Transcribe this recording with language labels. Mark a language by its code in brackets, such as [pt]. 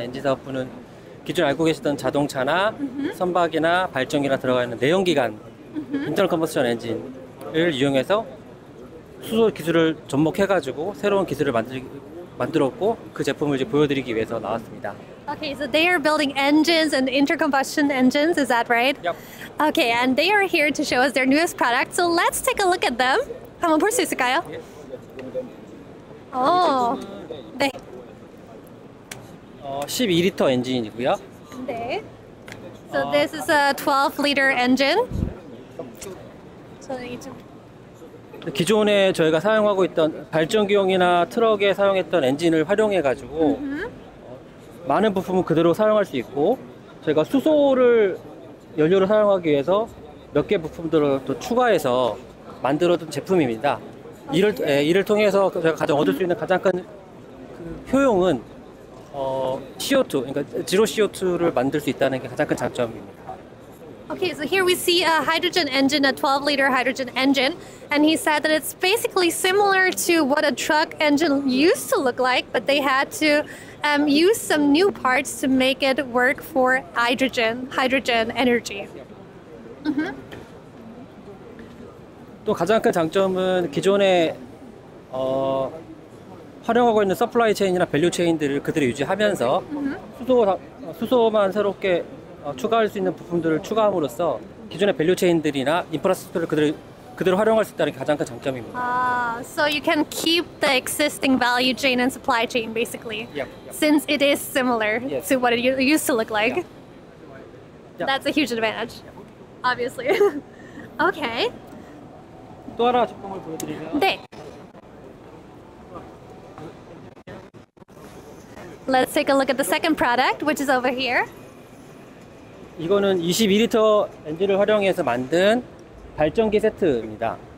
[ko] 엔진 사업부는 기존 알고 계시던 자동차나 선박이나 발전기나 들어가 있는 내연기관 인터널 컨버션 엔진을 이용해서 수소 기술을 접목해가지고 새로운 기술을 만들었고 그 제품을 이제 보여드리기 위해서 나왔습니다. [en] Okay, so they are building engines and intercombustion engines, is that right? Yep. Okay, and they are here to show us their newest product. So let's take a look at them. [ko] 한번 볼 수 있을까요? 예. 오, 네. 12리터 엔진이고요. [en] 네. So this is a 12-liter engine. [ko] 기존에 저희가 사용하고 있던 발전기용이나 트럭에 사용했던 엔진을 활용해가지고 많은 부품을 그대로 사용할 수 있고 저희가 수소를 연료로 사용하기 위해서 몇 개 부품들을 또 추가해서 만들어둔 제품입니다. 이를 통해서 저희가 가장 얻을 수 있는 가장 큰 효용은 CO2, 그러니까 zero CO2를 만들 수 있다는 게 가장 큰 장점입니다. [en] Okay, so here we see a hydrogen engine, a 12-liter hydrogen engine, and he said that it's basically similar to what a truck engine used to look like, but they had to use some new parts to make it work for hydrogen energy. Mm-hmm. [ko] 또 가장 큰 장점은 기존의 활용하고 있는 서플라이 체인이나 밸류 체인들을 그대로 유지하면서 수소만 새롭게 추가할 수 있는 부품들을 추가함으로써 기존의 밸류 체인들이나 인프라스트럭처를 그대로 활용할 수 있다는 게 가장 큰 장점입니다. [en] So you can keep the existing value chain and supply chain basically. Yep, yep. Since it is similar yes. to what it used to look like. Yep. That's a huge advantage. Yep. Obviously. Okay. [ko] 또 하나 제품을 보여드리면 네. [en] Let's take a look at the second product, which is over here. [ko] 이거는 22리터 엔진을 활용해서 만든 발전기 세트입니다.